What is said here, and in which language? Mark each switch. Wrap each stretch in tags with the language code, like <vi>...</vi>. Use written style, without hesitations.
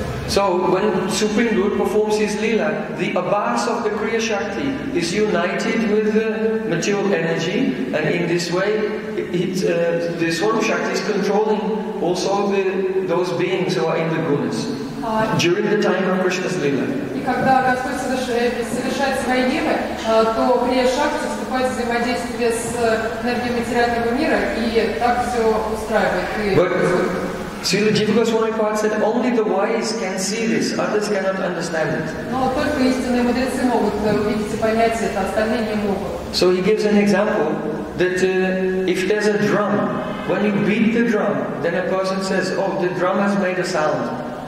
<en>So when Supreme Lord performs his Leela, the abhas of the Kriya Shakti is united with the material energy, and in this way, the Swarupa Shakti is controlling also those beings who are in the gunas during the time of Krishna's Leela.</en> <ru>И когда Господь совершает свои лилы, то Крия Шакти вступает в взаимодействие с энергией материального мира, и так все устраивает.</ru> <en>But Srila Jiva Goswami Pad said only the wise can see this, others cannot understand it.</en> <ru>Но только истинные мудрецы могут увидеть и понять это, остальные не могут.</ru> <en>So he gives an example that if there's a drum, when you beat the drum, then a person says, oh, the drum has made a sound.</en>